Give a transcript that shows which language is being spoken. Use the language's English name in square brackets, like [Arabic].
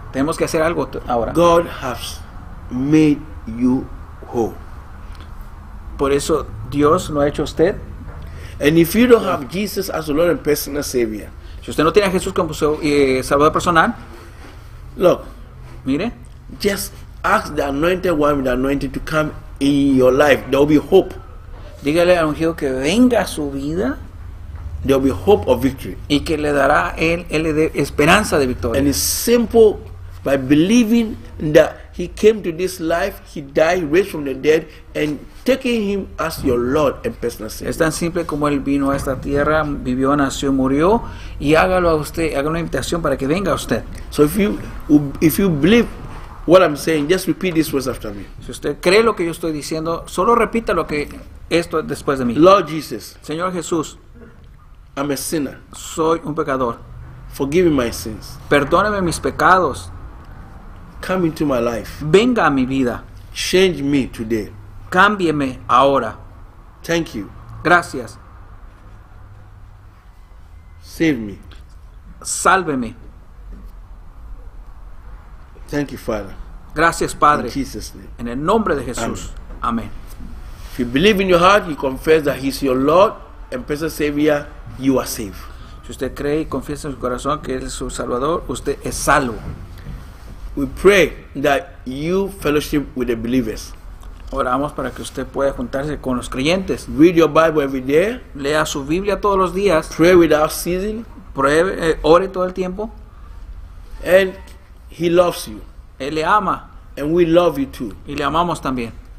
[Spanish] Tenemos que hacer algo ahora. [English] God has made you whole. [Spanish] Por eso Dios lo ha hecho a usted. [English] And if you don't have Jesus as a Lord and personal Savior, [Spanish] si usted no tiene a Jesús como su Salvador personal, [English] look, [Spanish] mire, [English] just ask the Anointed One with the anointing to come in your life. There will be hope. [Spanish] Dígale al ungido que venga a su vida. [English] There will be hope of victory. [Spanish] Y que le dará él le dé esperanza de victoria. [English] And it's simple by believing that He came to this life. He died, raised from the dead, and taking him as your Lord and personal Savior. [Spanish] Es tan simple como él vino a esta tierra, vivió, nació, murió, y hágalo a usted, haga una invitación para que venga a usted. [English] So if you believe what I'm saying, just repeat these words after me. [Spanish] Si usted cree lo que yo estoy diciendo, solo repita lo que esto después de mí. [English] Lord Jesus, [Spanish] Señor Jesús, [English] I'm a sinner. [Spanish] Soy un pecador. [English] Forgive me my sins. [Spanish] Perdóneme mis pecados. [English] Come into my life. [Spanish] Venga a mi vida. [English] Change me today. [Spanish] Cámbieme ahora. [English] Thank you. [Spanish] Gracias. [English] Save me. [Spanish] Sálveme. [English] Thank you, Father. [Spanish] Gracias, Padre. [English] In Jesus' name. [Spanish] En el nombre de Jesús. Amén. [English] If you believe in your heart, you confess that He's your Lord and personal Savior, you are saved. [Spanish] Si usted cree y confiesa en su corazón que Él es su Salvador, usted es salvo. [English] We pray that you fellowship with the believers. [Spanish] Oramos para que usted pueda juntarse con los creyentes. [English] Read your Bible every day. [Spanish] Lea su Biblia todos los días. [English] Pray without ceasing. [Spanish] Ore todo el tiempo. [English] And he loves you. [Spanish] Él le ama. [English] And we love you too. [Spanish] Y le amamos también.